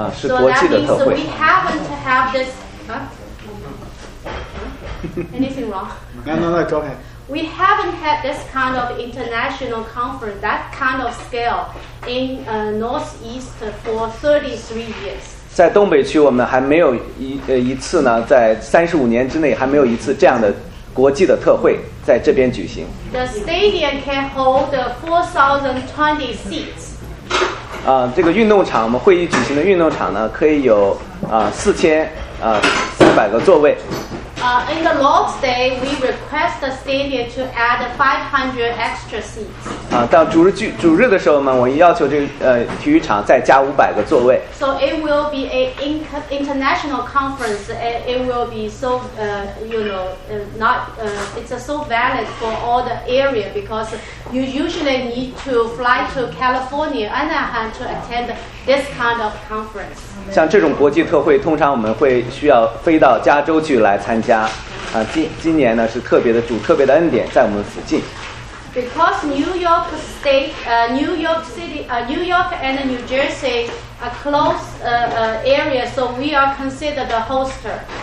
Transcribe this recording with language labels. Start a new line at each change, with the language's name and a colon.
Chinese: 啊，是国际的特会。
English: So that means we happen to have this. Anything wrong? No, go ahead. We haven't had this kind of international conference, that kind of scale, in Northeast for 33 years.
Chinese: 在东北区，我们还没有一次呢，在35年之内还没有一次这样的国际的特会在这边举行。
English: The stadium can hold 4,020 seats.
Chinese: 啊，这个运动场，我们会议举行的运动场呢，可以有4,400个座位。
English: In the Lord's Day, we request the stadium to add 500 extra seats.
Chinese: 啊，到主日的时候呢，我要求这个体育场再加500个座位。
English: So it will be a international conference. It will be so, it's so valid for all the area because you usually need to fly to California, Anaheim to attend this kind of conference.
Chinese: 像这种国际特会，通常我们会需要飞到加州去来参加。今年呢是特别的主特别的恩典在我们附近。
English: Because New York State, New York City, New York and New Jersey are close area, so we are considered the hoster.